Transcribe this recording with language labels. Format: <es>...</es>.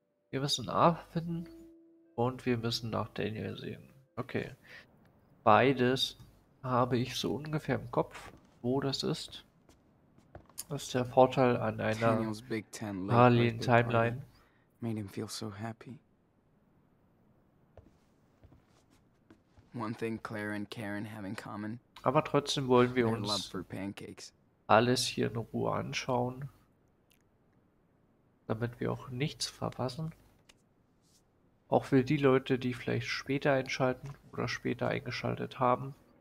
<de>Wir müssen Arthur finden und wir müssen nach Daniel sehen. Okay. Beides habe ich so ungefähr im Kopf, wo das ist. Das ist der Vorteil an einer parallelen Timeline.</de> <en>Made him feel so happy. One thing Claire and Karen have in common.</en> <de>Aber trotzdem wollen wir uns alles hier in Ruhe anschauen, damit wir auch nichts verpassen. Auch für die Leute, die vielleicht später einschalten oder später eingeschaltet haben.</de>